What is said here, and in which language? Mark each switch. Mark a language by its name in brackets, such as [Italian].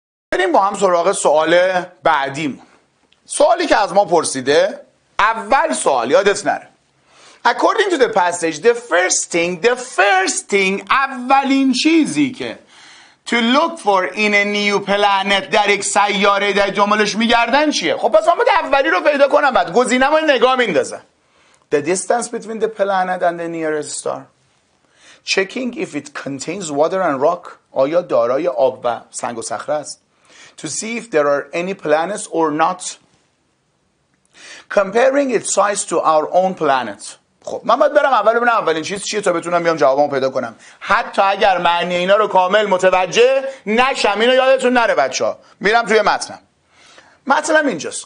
[Persian] بریم با هم سراغ سوال بعدیمون. سوالی که از ما پرسیده، اول سوال یادت نره. [English] According to the passage, the first thing, [Persian] اولین چیزی که [English] to look for in a new planet [Persian] در یک سیاره در جملش میگردن چیه؟ خب پس من باید اولی رو پیدا کنم، بعد گزینه من نگاه میندازم. [English] The distance between the planet and the nearest star. Checking if it contains water and rock. [Persian] آیا دارای آب و سنگ و صخره است؟ [English] To see if there are any planets or not. Comparing its size to our own planet. [Persian] خب من باید برم اول ببینم اولین چیز چیه تا بتونم بیام جوابمو پیدا کنم. حتی اگر معنی اینا رو کامل متوجه نشم، اینو یادتون نره بچه‌ها. میرم توی متنم. متنم اینجاست.